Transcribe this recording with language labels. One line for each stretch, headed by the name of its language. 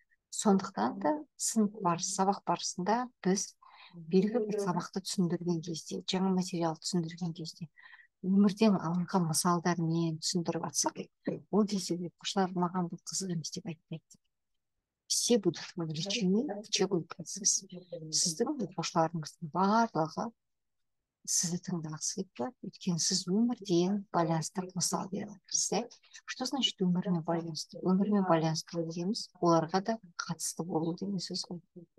Kazakh: Сондықтан да сынып барысы, сабақ барысында біз белгілі бір сабақты түсіндірген кезде, жаңа материалды түсіндірген кезде өмірден алынған мысалдармен түсіндіріп жатсақ, ол кезде оқушылар маған бұл қызық емес деп айтпайды.
Russian: Все будут вовлечены в учебный процесс.
Kazakh: Сіздің оқушыларыңыздың барлығы сізді тыңдағысы келіп тұр, өйткені сіз өмірден байланысты мысал бере аласыз.
Russian: Что значит
Kazakh: өмірмен байланысты? Өмірмен байланысты дегеніміз оларға да қатысты болу деген сөз ғой.